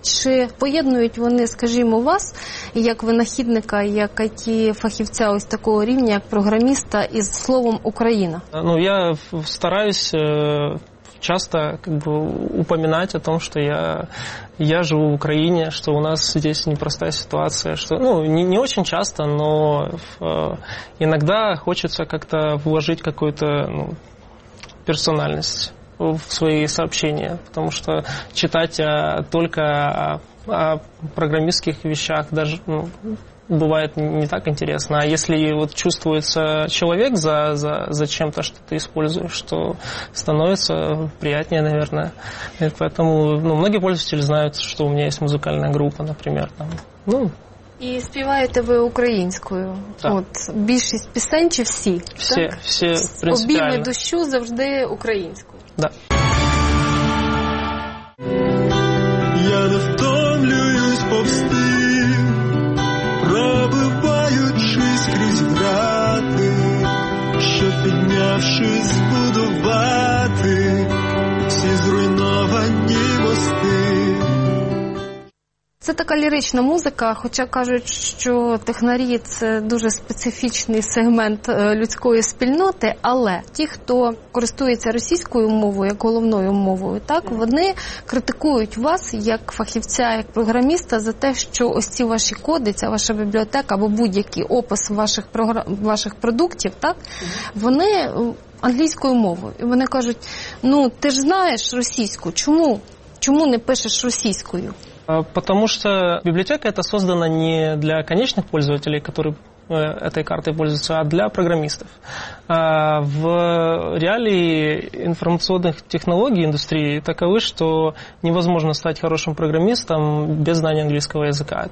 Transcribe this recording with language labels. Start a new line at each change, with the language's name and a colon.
Ukrainian: Чи поєднують вони, скажімо, вас, як винахідника, як IT-фахівця ось такого рівня, як програміста, із словом «Україна»?
Russian: Ну, я стараюсь часто как бы упоминать о том, что я живу в Украине, что у нас здесь непростая ситуация, что, ну, не очень часто, но иногда хочется как-то вложить какую-то, ну, персональность в свои сообщения, потому что читать только о программистских вещах даже, ну, бывает не так интересно. А если вот чувствуется человек за чем-то, что ты используешь, то становится приятнее, наверное. И поэтому, ну, многие пользователи знают, что у меня есть музыкальная группа, например. Там. Ну.
Ukrainian: И співаєте ви українською? Так. От, більшість пісень чи всі?
Russian: Все,
Ukrainian: так?
Russian: Все принципиально.
Ukrainian: Обійми душу завжди українською. Так. Да. Я не втомлююсь повсти. Пробиваючись крізь грати, щоб піднявшись збудувати всі зруйновані мости. Це така лірична музика, хоча кажуть, що технарі – це дуже специфічний сегмент людської спільноти, але ті, хто користується російською мовою, як головною мовою, так, вони критикують вас, як фахівця, як програміста, за те, що ось ці ваші коди, ця ваша бібліотека або будь-який опис ваших, ваших продуктів, так, вони англійською мовою. І вони кажуть, ну, ти ж знаєш російську, чому не пишеш російською?
Russian: Потому что библиотека эта создана не для конечных пользователей, которые этой картой пользуются, а для программистов. В реалии информационных технологий индустрии таковы, что невозможно стать хорошим программистом без знания английского языка.